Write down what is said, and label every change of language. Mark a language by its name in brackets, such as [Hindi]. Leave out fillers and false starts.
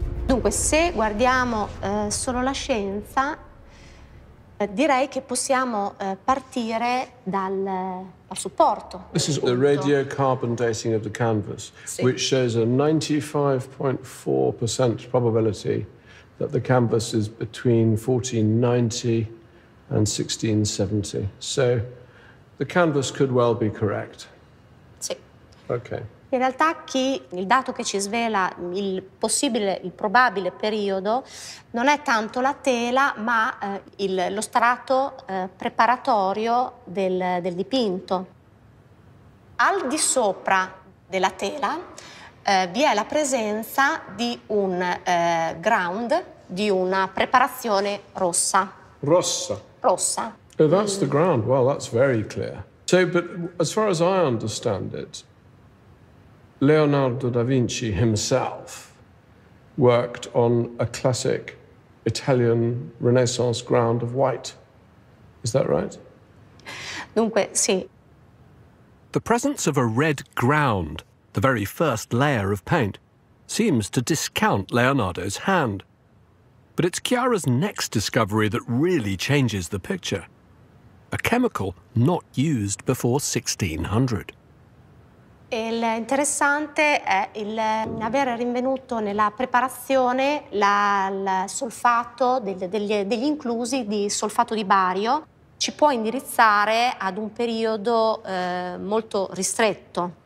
[Italian] Dunque, se guardiamo solo la scienza, direi che possiamo partire dal supporto. [English] This is the radiocarbon dating of the canvas, sì, which shows a 95.4% probability that the canvas is between 1490 and 1670. So the canvas could well be correct. [Italian] Sì. [English] Okay. [Italian] In realtà chi il dato che ci svela il possibile, il probabile periodo non è tanto la tela, ma lo strato preparatorio del dipinto. Al di sopra della tela vi è la presenza di un ground, di una preparazione rossa. Rossa? Rossa. [English] Oh, that's the ground. Well, that's very clear. So, but as far as I understand it, Leonardo da Vinci himself worked on a classic Italian Renaissance ground of white. Is that right? [Italian] Dunque, sì. [English] The presence of a red ground, the very first layer of paint, seems to discount Leonardo's hand. But it's Chiara's next discovery that really changes the picture. A chemical not used before 1600. [Italian] Il interessante è il aver rinvenuto nella preparazione il solfato degli inclusi di solfato di bario ci può indirizzare ad un periodo molto ristretto.